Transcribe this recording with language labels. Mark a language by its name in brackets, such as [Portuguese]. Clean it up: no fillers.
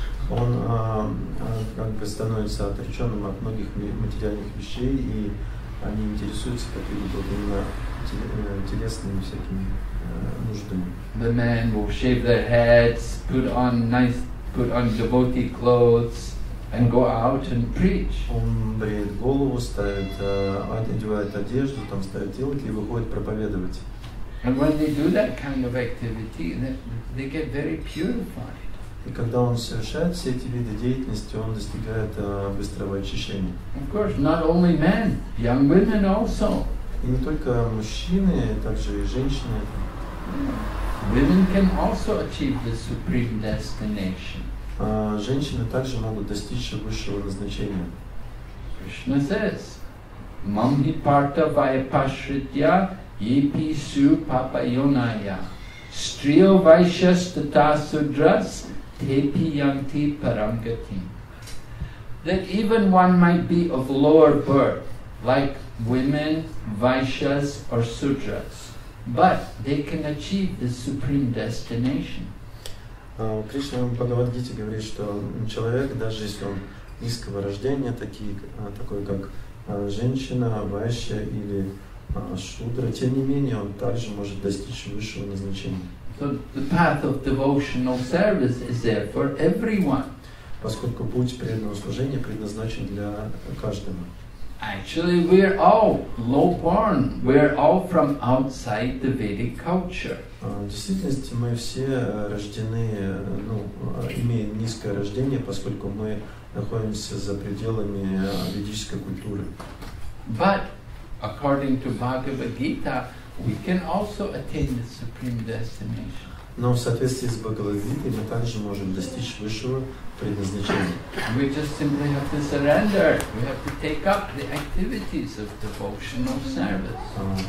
[Russian] Он как бы становится отреченным от многих материальных вещей, и они интересуются как именно телесными всякими нуждами. [English] The men will shave their heads, put on devotee clothes, and go out and preach. [Russian] Он бреет голову, ставит, одевает одежду, там ставит тилки и выходит проповедовать. [English] And when they do that kind of activity, they get very purified. [Russian] И когда он совершает все эти виды деятельности, он достигает быстрого очищения. [English] Of course, not only men, young women also. [Russian] И не только мужчины, также и женщины. [English] Women can also achieve the supreme destination. [Russian] Женщины также могут достичь высшего назначения. [English] Krishna says, [Sanskrit] "Mam hi parta vaipashritya." Yipi su papa yonaya. Striyo vaishas tata sudras tepi yanti parangati. [English] That even one might be of lower birth, like women, vaishas, or sudras, but they can achieve the supreme destination. [Russian] Кришна в Бхагавад-гите говорит, что человек, даже если он низкого рождения, такой как женщина, вайша или шудра, тем не менее, он также может достичь высшего назначения. [English] So the path of devotional service is there for everyone. [Russian] Поскольку путь преданного служения предназначен для каждого. [English] Actually, we are all low born. We are all from outside the Vedic culture. [Russian] В действительности мы все рождены, имеем низкое рождение, поскольку мы находимся за пределами ведической культуры. [English] But according to Bhagavad Gita, we can also attain the supreme destination. [Russian] Но в соответствии с Бхагавад Гитой мы также можем достичь высшего предназначения. [English] We just simply have to surrender. We have to take up the activities of devotional service.